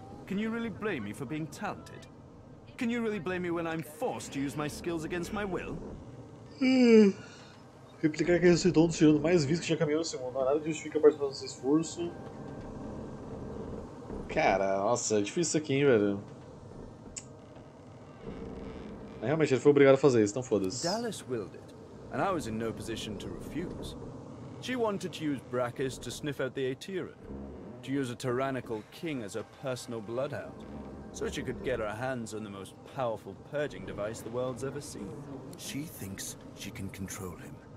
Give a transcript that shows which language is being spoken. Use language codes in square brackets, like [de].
[en] Can you really blame me for being talented? Can you really blame me when I'm forced to use my skills against my will? [pt] Replicar que ressuscitou um dos tiranos mais vistos que já caminhou no segundo. Nada justifica a participação desse esforço. Cara, nossa, é difícil isso aqui, hein, velho. Realmente, ele foi obrigado a fazer isso, então foda-se. [en] Dallas willed it, and I was in no position to refuse. She wanted to use Brachis to sniff out the Aetiran, to use a tyrannical king as a personal bloodhound, so she could get her hands on the most powerful purging device the world's ever seen. She thinks she can control him.